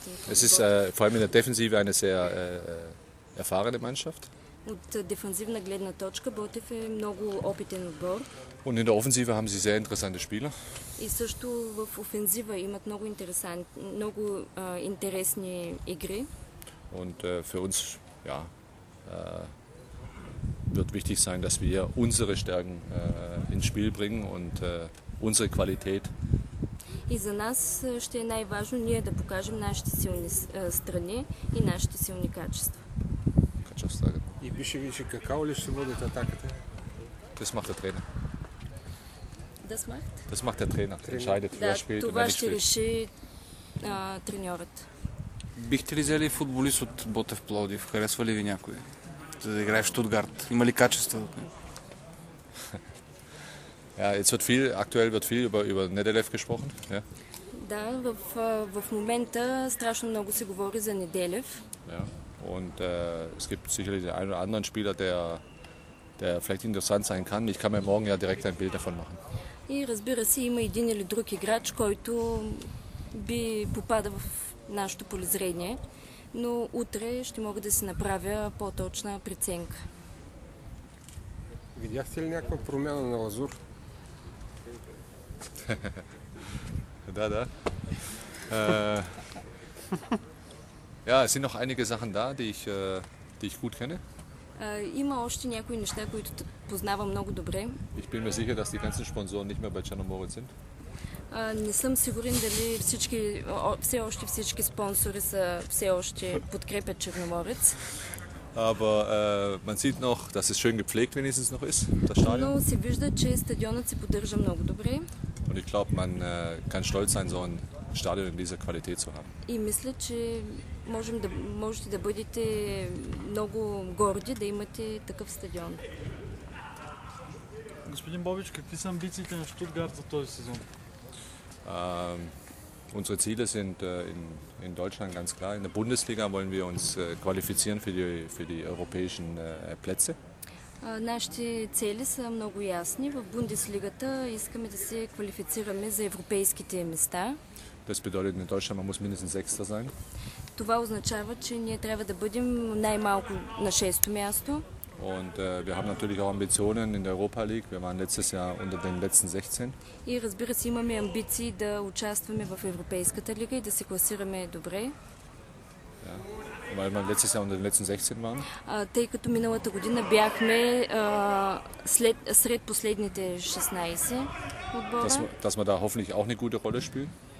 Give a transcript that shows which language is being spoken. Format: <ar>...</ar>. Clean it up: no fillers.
<de>Es ist vor allem in der Defensive eine sehr erfahrene Mannschaft.</de> <bg>От дефензивна гледна точка Ботев е много опитен отбор.</bg> <de>Und in der Offensive haben sie sehr interessante Spieler.</de> <bg>И също в офензива имат много интересни игри.</bg> <de>Und für uns wird wichtig sein, dass wir unsere Stärken ins Spiel bringen und unsere Qualität.</de> <bg>И за нас ще е най-важно ние да покажем нашите силни страни и нашите силни качества. И пише какао ли ще водят атаката?</bg> <de>Das macht der Trainer. Das macht? Das macht der Trainer. Entscheidet, wer spielt.</de> <bg>Това ще реши треньорът. Бихте ли взели футболист от Ботев Пловдив? Харесва ли ви някой? За да играе в Штутгарт. Има ли качество?</bg> <de>Ja, jetzt wird viel über Nedelev gesprochen, ja.</de> <bg>Да, в момента страшно много се говори за Неделев.</bg> <de>Ja, und es gibt sicherlich den einen oder anderen Spieler, der vielleicht interessant sein kann. Ich kann mir morgen ja direkt ein Bild davon machen.</de> <bg>И разбира се, има един или друг играч, който би попада в нашето полезрение, но утре ще мога да си направя по-точна преценка. Видяхте ли някаква промяна на Лазур? Да.</bg> <de>Ja, es sind noch einige Sachen da, die ich gut kenne.</de> <bg>Има още някои неща, които познавам много добре.</bg> <de>Ich bin mir sicher, dass die ganzen Sponsoren nicht mehr bei Chernomorets sind.</de> <bg>Не съм сигурен дали всички спонсори са все още подкрепят Черноморец.</bg> <de>Aber man sieht noch, dass es schön gepflegt wenigstens noch ist, das Stadion.</de> <bg>Но се вижда, че стадионът се поддържа много добре.</bg> <de>Und ich glaube, man kann stolz sein, so ein Stadion in dieser Qualität zu haben.</de> <bg>И мисля, че можете да бъдете много горди да имате такъв стадион. Господин Бобич, какви са амбициите на Штутгарт за този сезон?</bg> <de>Unsere Ziele sind in Deutschland ganz klar. In der Bundesliga wollen wir uns qualifizieren für die europäischen Plätze.</de> <bg>Нашите цели са много ясни. В Бундеслигата искаме да се квалифицираме за европейските места.</bg> <de>Das bedeutet, in Deutschland man muss mindestens Sechster sein.</de> <bg>Това означава, че ние трябва да бъдем най-малко на шесто място.</bg> <de>Und wir haben natürlich auch Ambitionen in der Europa League. Wir waren letztes Jahr unter den letzten 16.</de> <bg>И разбира се, имаме амбиции да участваме в Европейската лига и да се класираме добре.</bg> <de>Ja, weil wir letztes Jahr unter den letzten 16 waren.</de> <bg>Тъй като миналата година бяхме сред последните 16 отбора.</bg> <de>Dass wir da hoffentlich auch eine gute Rolle spielen.</de>